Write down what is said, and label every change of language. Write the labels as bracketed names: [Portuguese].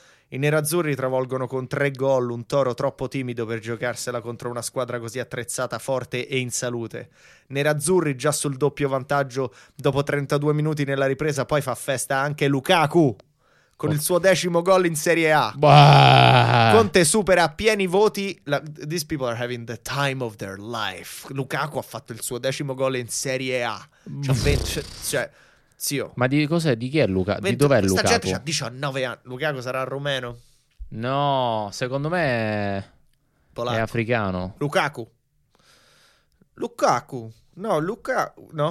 [Italian] I nerazzurri travolgono con 3 gol un Toro troppo timido per giocarsela contro una squadra così attrezzata, forte e in salute. Nerazzurri già sul doppio vantaggio dopo 32 minuti nella ripresa, poi fa festa anche Lukaku con il suo 10° gol in Serie A. Conte supera a pieni voti la... [English] These people are having the time of their life. [Italian] Lukaku ha fatto il suo 10° gol in Serie A. Cioè, zio. Ma di cos'è? Di chi è Luca? Di dov'è questa Lukaku? Questa gente ha 19 anni. Lukaku sarà rumeno? No, secondo me polacco. È africano. Lukaku. Lukaku. No, Luca. No?